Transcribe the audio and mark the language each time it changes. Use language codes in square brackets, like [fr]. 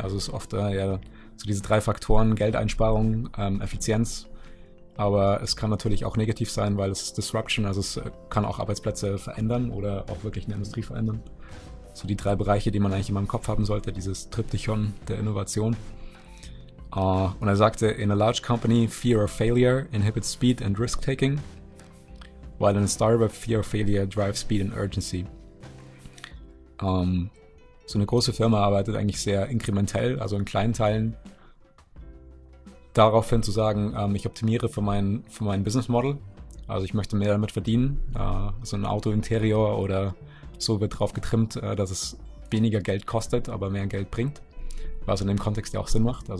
[de] Also es ist oft ja so diese drei Faktoren, Geldeinsparung, Effizienz. Aber es kann natürlich auch negativ sein, weil es ist Disruption, also es kann auch Arbeitsplätze verändern oder auch wirklich eine Industrie verändern. So die drei Bereiche, die man eigentlich immer im Kopf haben sollte, dieses Triptychon der Innovation. [en] Und er sagte, in a large company, fear of failure inhibits speed and risk taking, while in a startup, fear of failure drives speed and urgency. [de] So eine große Firma arbeitet eigentlich sehr inkrementell, also in kleinen Teilen, daraufhin zu sagen, ich optimiere für mein Business Model, also ich möchte mehr damit verdienen, so ein Auto-Interior oder so wird drauf getrimmt, dass es weniger Geld kostet, aber mehr Geld bringt, was in dem Kontext ja auch Sinn macht.